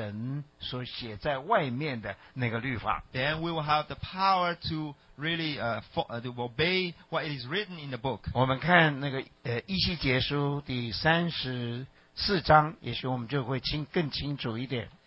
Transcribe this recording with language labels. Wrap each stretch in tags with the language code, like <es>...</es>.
<zh>有一个力量能够行出神所写在外面的那个律法。</zh> <en>Then we will have the power to really to obey what is written in the book.</en> <zh>我们看那个以西结书第34章，也许我们就会更清楚一点。</zh>